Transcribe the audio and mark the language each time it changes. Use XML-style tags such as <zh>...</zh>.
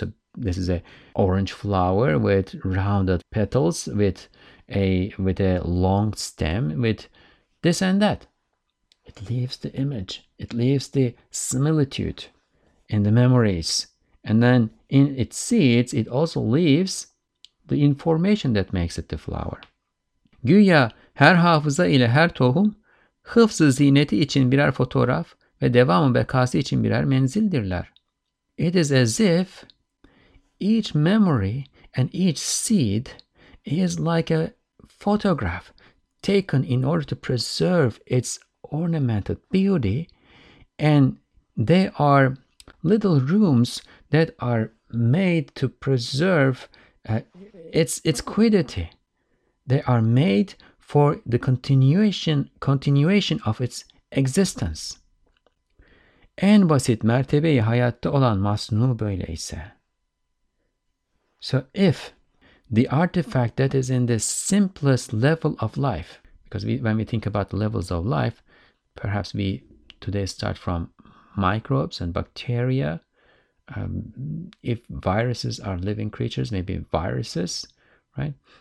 <en>So this is a orange flower with rounded petals, with a long stem, with this and that. It leaves the image, it leaves the similitude in the memories. And then in its seeds, it also leaves the information that makes it the flower.</en> <tr>Güya her hafıza ile her tohum, hıfz-ı ziyneti için birer fotoğraf ve devamı bekası için birer menzildirler.</tr> <en>It is as if each memory and each seed is like a photograph taken in order to preserve its ornamented beauty, and they are little rooms that are made to preserve its quiddity. They are made for the continuation of its existence.</en> <tr>En basit mertebeyi hayatta olan masnu böyleyse.</tr> <en>So if the artifact that is in the simplest level of life, because when we think about the levels of life, perhaps we today start from microbes and bacteria. If viruses are living creatures, maybe viruses, right?</en>